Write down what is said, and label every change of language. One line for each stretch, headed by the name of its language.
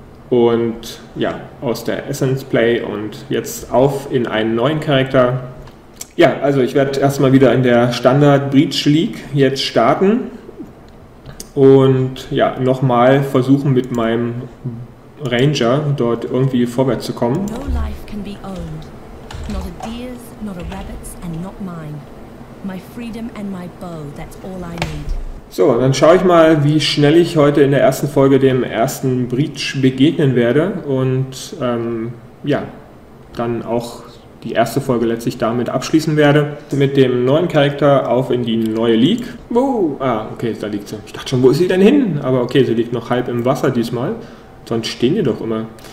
German: Und ja, aus der Essence Play und jetzt auf in einen neuen Charakter. Ja, also ich werde erstmal wieder in der Standard Breach League jetzt starten. Und ja, nochmal versuchen mit meinem Ranger dort irgendwie vorwärts zu kommen.
English: No life can be owned. Not a deer's, not a rabbit's and not mine. My freedom and my bow, that's all I need.
German: So, dann schaue ich mal, wie schnell ich heute in der ersten Folge dem ersten Breach begegnen werde. Und dann auch die erste Folge letztlich damit abschließen werde. Mit dem neuen Charakter auf in die neue League. Wo? Ah, okay, da liegt sie. Ich dachte schon, wo ist sie denn hin? Aber okay, sie liegt noch halb im Wasser diesmal. Sonst stehen die doch immer.